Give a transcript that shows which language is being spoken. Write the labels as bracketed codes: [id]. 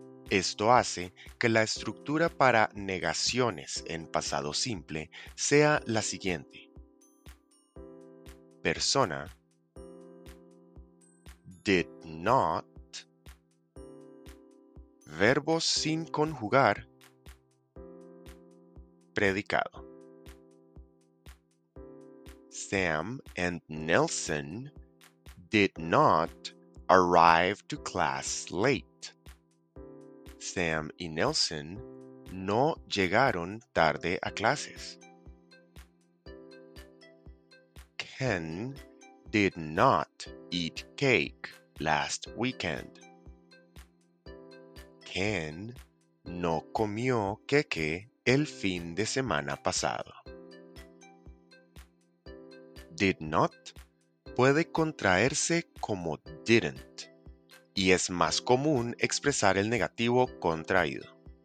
[es] Esto hace que la estructura para negaciones en pasado simple sea la siguiente: persona, did not, verbo sin conjugar, predicado. [en] Sam and Nelson did not arrive to class late. [es] Sam y Nelson no llegaron tarde a clases. [en] Ken did not eat cake last weekend. [es] Ken no comió queque el fin de semana pasado. did not puede contraerse como didn't, y es más común expresar el negativo contraído.